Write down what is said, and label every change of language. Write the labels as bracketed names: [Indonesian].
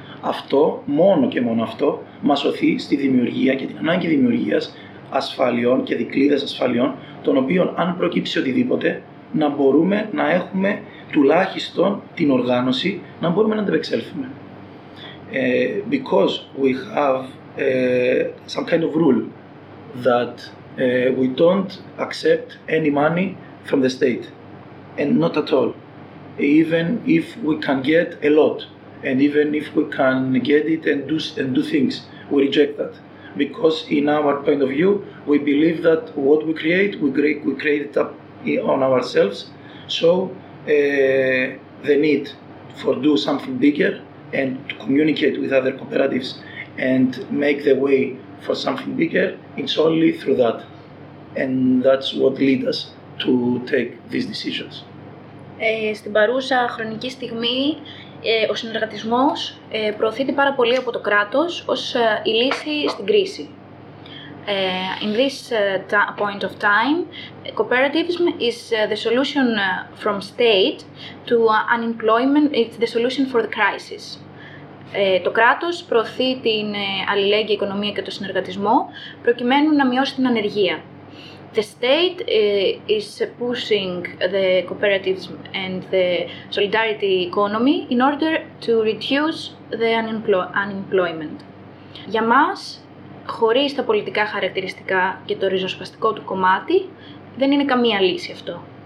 [Greek] Αυτό, μόνο και μόνο αυτό, μας οθεί στη δημιουργία και την ανάγκη δημιουργίας ασφαλιών και δικλείδες ασφαλιών, των οποίων αν προκύψει οτιδήποτε, να μπορούμε να έχουμε τουλάχιστον την οργάνωση να μπορούμε να αντεπεξέλθουμε. [English] Because we have some kind of rule that we don't accept any money from the state, and not at all, even if we can get a lot, and even if we can get it and do things, we reject that, because in our point of view, we believe that what we create it up on ourselves, so the need for do something bigger and to communicate with other cooperatives and make the way for something bigger, it's only through that. And that's what leads us to take these decisions. [Greek] Στην παρούσα χρονική στιγμή, ο συνεργατισμός προωθείται πάρα πολύ από το κράτος ως η λύση στην κρίση. [English] In this point of time, cooperativism is the solution from state to unemployment, it's the solution for the crisis. [Greek] Το κράτος προωθεί την αλληλέγγυα οικονομία και το συνεργατισμό προκειμένου να μειώσει την ανεργία. [English] The state is pushing the cooperativism and the solidarity economy in order to reduce the unemployment. [Greek] Για μας, χωρίς τα πολιτικά χαρακτηριστικά και το ριζοσπαστικό του κομμάτι, δεν είναι καμία λύση αυτό.